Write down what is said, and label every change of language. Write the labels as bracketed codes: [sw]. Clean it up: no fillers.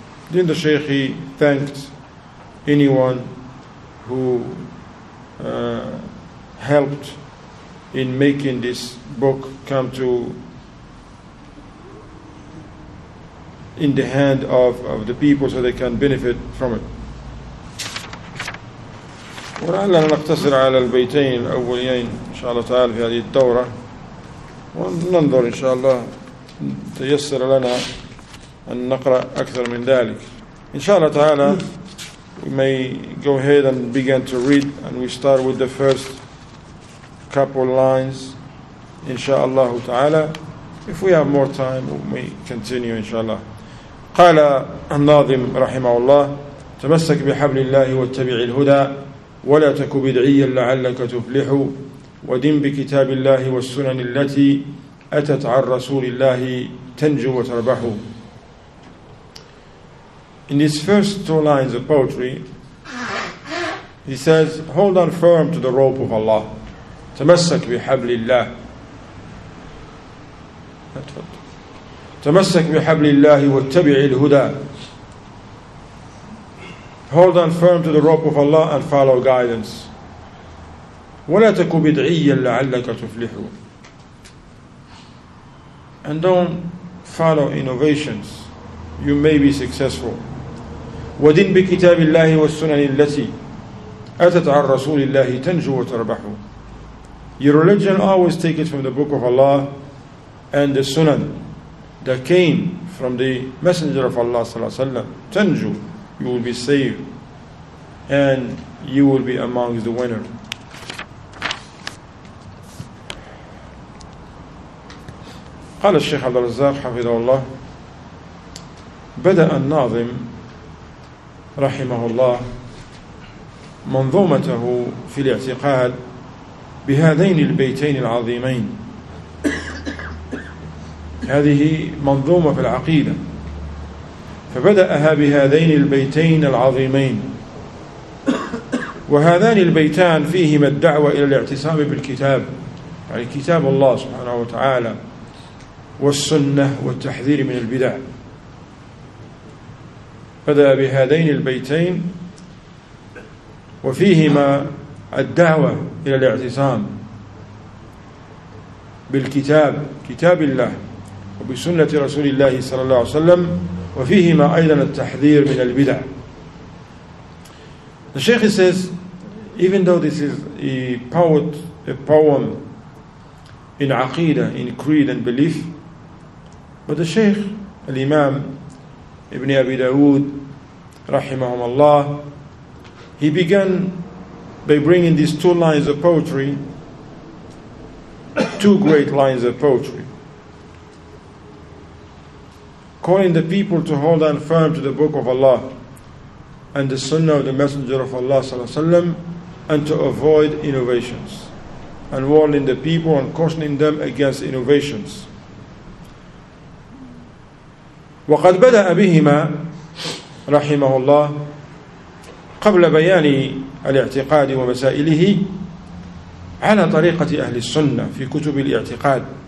[en] Then the Shaykh, he thanked anyone who helped in making this book come to in the hand of the people so they can benefit from it. [ar] ولعلنا نقتصر على البيتين الأوليين إن شاء الله تعالى في هذه الدورة، وننظر إن شاء الله تيسر لنا أن نقرأ أكثر من ذلك. إن شاء الله تعالى [en] we may go ahead and begin to read and we start with the first couple lines [ar] إن شاء الله تعالى. [en] If we have more time we may continue [ar] إن شاء الله. قال الناظم رحمه الله: تمسك بحبل الله واتبع الهدى، ولا تك بدعيا لعلك تفلح، ودم بكتاب الله والسنن التي أتت عن رسول الله تنجو وتربح. [en] In these first two lines of poetry he says, hold on firm to the rope of Allah. [ar] تمسك بحبل الله. تمسك بحبل الله واتبع الهدى. [en] Hold on firm to the rope of Allah and follow guidance. [ar] ولا تكن بدعيا لعلك تفلح. [en] And don't follow innovations. You may be successful. [ar] ودن بكتاب الله والسنن التي أتت عن رسول الله تنجو وتربح. [en] Your religion always take it from the book of Allah and the Sunan. that came from the Messenger of Allah sallallahu alaihi wasallam, tanju, you will be saved, and you will be among the winner. [ar] قال الشيخ عبد الرزاق حفظه الله بدأ الناظم رحمه الله منظومته في الاعتقاد بهذين البيتين العظيمين. هذه منظومة في العقيدة، فبدأها بهذين البيتين العظيمين، وهذان البيتان فيهما الدعوة إلى الاعتصام بالكتاب، يعني كتاب الله سبحانه وتعالى والسنة، والتحذير من البدع. بدأ بهذين البيتين وفيهما الدعوة إلى الاعتصام بالكتاب، كتاب الله، وبسنة رسول الله صلى الله عليه وسلم، وفيهما أيضا التحذير من البدع. [en] The Sheikh says, even though this is a poet, a poem in عقيدة, in creed and belief, but the Sheikh, Imam Ibn Abi Dawood, [ar] رحمهم الله, [en] he began by bringing these two lines of poetry, two great lines of poetry, calling the people to hold on firm to the Book of Allah and the Sunnah of the Messenger of Allah [ar] صلى الله عليه وسلم, [en] and to avoid innovations, and warning the people and cautioning them against innovations. [ar] وقد بدأ بهما رحمه الله قبل بيان الاعتقاد ومسائله على طريقة أهل السنة في كتب الاعتقاد،